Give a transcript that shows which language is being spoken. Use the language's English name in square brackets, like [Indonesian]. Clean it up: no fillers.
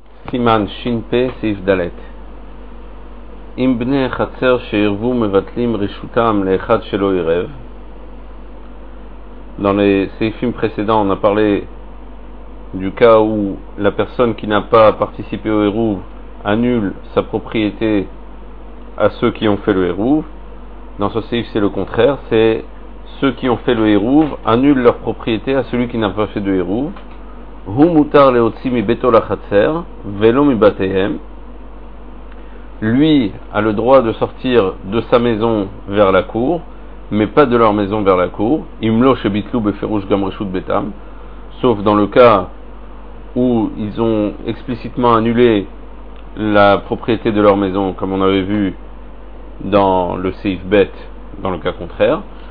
[Hebrew] סימן ש"פ סעיף ד', אם בני חצר שירבו מבטלים רשותם לאחד שלא עירב. [French] Dans les סעיפים précédents, on a parlé du cas où la personne qui n'a pas participé au עירוב annule sa propriété à ceux qui ont fait le עירוב. Dans ce סעיף, c'est le contraire, c'est ceux qui ont fait le עירוב annulent leur propriété à celui qui n'a pas fait de עירוב. [Hebrew] הוא מותר להוציא מביתו לחצר ולא מבתיהם. [French] Lui a le droit de sortir de sa maison vers la cour, mais pas de leur maison vers la cour. [Hebrew] Imlo shebitlu beferush gam reshut betam, [French] sauf dans le cas où ils ont explicitement annulé la propriété de leur maison, comme on avait vu dans le seif bet, dans le cas contraire.